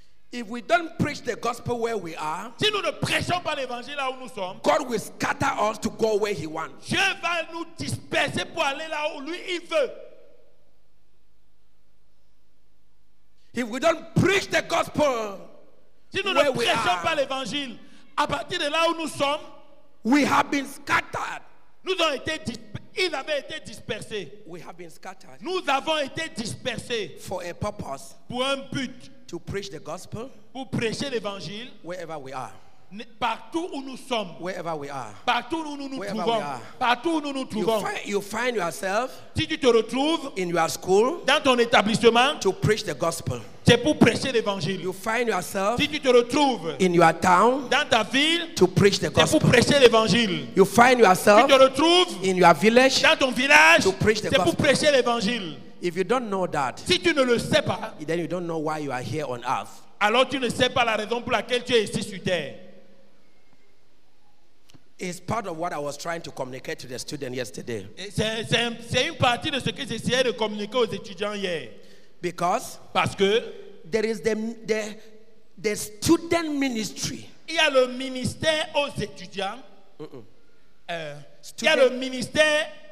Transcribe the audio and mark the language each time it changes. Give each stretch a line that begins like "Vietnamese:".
English: If we don't preach the gospel where we are,
French: si nous ne prêchons pas l'évangile là où nous sommes,
English: God will scatter us to go where he wants.
French: Dieu va nous disperser pour aller là où lui il veut.
English: If we don't preach the gospel,
French: si nous ne prêchons pas l'évangile à partir de là où nous sommes,
English: we have been scattered.
French: Nous avons été ils avaient été dispersés.
English: We have been scattered.
French: Nous avons été dispersés
English: for a purpose.
French: Pour un but.
English: To preach the gospel,
French: pour prêcher l'évangile,
English: wherever we are,
French: partout où nous sommes,
English: wherever we are,
French: partout où nous nous
English: wherever
French: trouvons,
English: we are,
French: partout où nous nous trouvons,
English: you find yourself,
French: si tu te retrouves,
English: in your school,
French: dans ton établissement,
English: to preach the gospel,
French: c'est pour prêcher l'évangile.
English: You find yourself,
French: si tu te retrouves,
English: in your town,
French: dans ta ville,
English: to preach the gospel,
French: c'est pour prêcher l'évangile.
English: You find yourself,
French: si tu te retrouves,
English: in your village,
French: dans ton village,
English: to preach the
French: c'est
English: gospel,
French: c'est pour prêcher l'évangile.
English: If you don't know that,
French: si tu ne le sais pas,
English: then you don't know why you are here on earth.
French: Alors tu ne sais pas la raison pour laquelle tu es ici sur terre.
English: is part of what I was trying to communicate to the student yesterday.
French: C'est une partie de ce que j'essayais de communiquer aux étudiants hier.
English: Because
French: parce que
English: there is the student ministry.
French: Il y a le ministère aux étudiants. Il y a le ministère